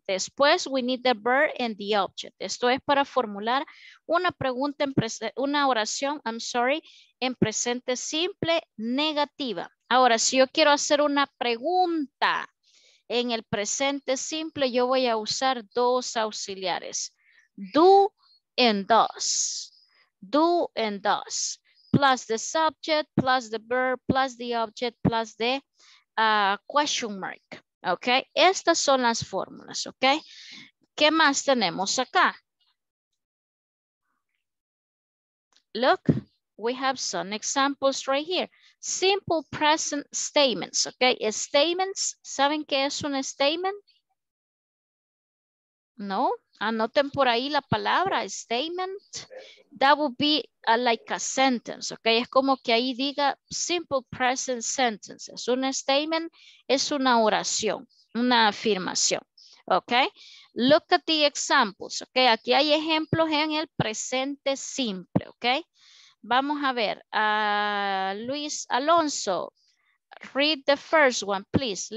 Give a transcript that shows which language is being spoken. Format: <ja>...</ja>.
<es>Después,</es> <en>we need the verb and the object.</en> <es>Esto es para formular una pregunta, en presente simple, negativa. Ahora, si yo quiero hacer una pregunta en el presente simple, yo voy a usar dos auxiliares.</es> <en>Do and does. Do and does. Plus the subject, plus the verb, plus the object, plus the question mark.</en> <es>¿Ok? Estas son las fórmulas, ¿ok? ¿Qué más tenemos acá?</es> <en>Look, we have some examples right here. Simple present statements, ¿ok?</en> <es>Statements, ¿saben qué es un statement? No, anoten por ahí la palabra statement.</es> <en>That would be like a sentence, ok.</en> <es>Es como que ahí diga</es> <en>simple present sentences.</en> <es>Un statement es una oración, una afirmación, ok.</es> <en>Look at the examples, ok.</en> <es>Aquí hay ejemplos en el presente simple, ok. Vamos a ver, Luis Alonso,</es> <en>read the first one, please.</en>